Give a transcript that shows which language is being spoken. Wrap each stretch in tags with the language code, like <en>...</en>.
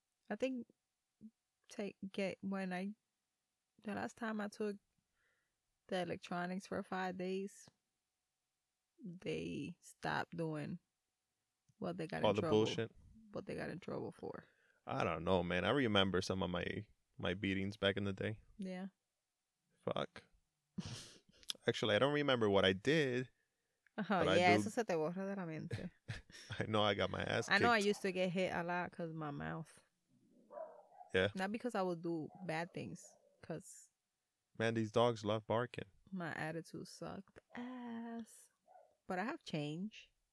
<en>I think the last time I took the electronics for 5 days, they stopped doing what they got all in trouble. All the bullshit. What they got in trouble for. I don't know, man. I remember some of my beatings back in the day. Yeah. Fuck. Actually, I don't remember what I did.</en> <es>Eso se te borra de la mente.</es> <en>I know I got my ass kicked. I know I used to get hit a lot because of my mouth. Yeah. Not because I would do bad things. Because. Man, these dogs love barking. My attitude sucked ass. But I have change.</en>